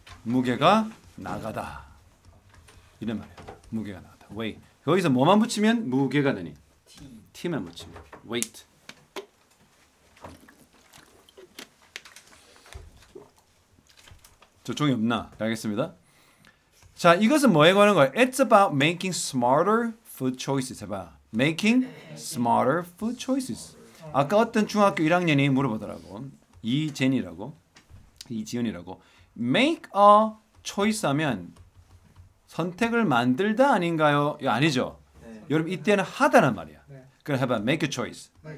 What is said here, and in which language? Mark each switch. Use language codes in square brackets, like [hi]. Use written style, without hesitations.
[ko] 무게가 나가다. 이런 말이야. 무게가 나다. weight. 거기서 뭐만 붙이면 무게가 되니? t. t만 붙이면 weight. 저 종이 없나? 알겠습니다. 자, 이것은 뭐에 관한 거예요? [en] It's about making smarter food choices. [ko] 해봐. [en] Making smarter food choices. [ko] 아까 어떤 중학교 1학년이 물어보더라고. 이재니라고. 이지은이라고. [en] Make a choice [ko] 하면 선택을 만들다 아닌가요? 이거 아니죠? 네. 여러분 이때는 하다란 말이야. 네. 그럼 해봐. [en] Make a choice.